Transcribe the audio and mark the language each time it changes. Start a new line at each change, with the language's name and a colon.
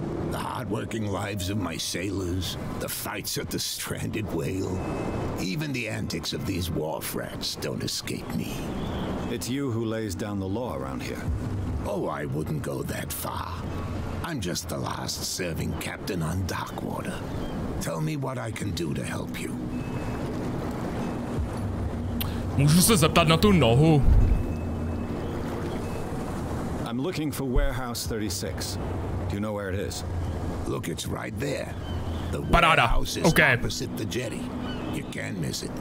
English: The hardworking lives of my sailors, the fights at the stranded whale, even the antics of these wharf rats don't escape me. It's you who lays down the law around here. Oh, I wouldn't go that far. I'm just the last serving captain on Darkwater. Tell me what I can do to help you.
Czech: Můžu se zeptat na tu nohu?
English: I'm looking for warehouse 36. Do you know where it is? Look, it's right there. The warehouse is opposite the jetty. You can't miss it.